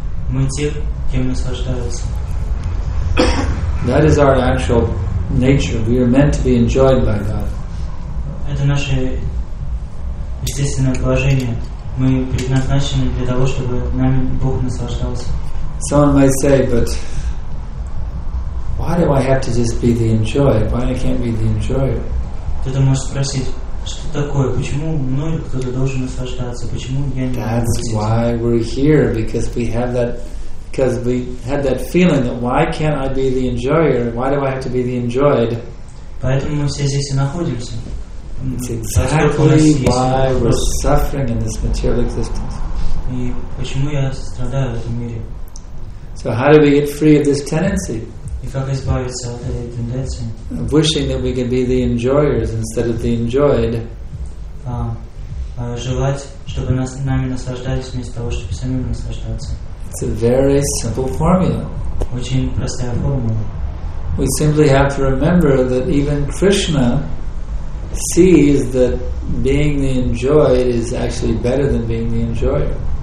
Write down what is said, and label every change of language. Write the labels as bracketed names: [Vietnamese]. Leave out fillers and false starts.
[Russian] Мы те, кем наслаждаются. [English] That is our actual nature. We are meant to be enjoyed by God. [Russian] Это наше естественное положение. Мы предназначены для того, чтобы нами Бог наслаждался. [English] Someone might say, but why do I have to just be the enjoyed? Why I can't be the enjoyer? [Russian] Кто-то может спросить. Что такое? Почему мною кто-то должен наслаждаться? Почему я не могу? [English] That's why we're here, because we have that, because we had that feeling that why can't I be the enjoyer? Why do I have to be the enjoyed? [Russian] Поэтому мы все здесь и находимся. [English] It's exactly why we're suffering in this material existence. [Russian] И почему я страдаю в этом мире? [English] So how do we get free of this tendency? [Russian] И как избавиться от этой тенденции? [English] Wishing that we can be the enjoyers instead of the enjoyed. [Russian] Желать, чтобы нами наслаждались вместо того, чтобы самим наслаждаться. [English] It's a very simple formula. [Russian] Очень простая формула. [English] We simply have to remember that even Krishna sees that being the enjoyed is actually better than being the enjoyer.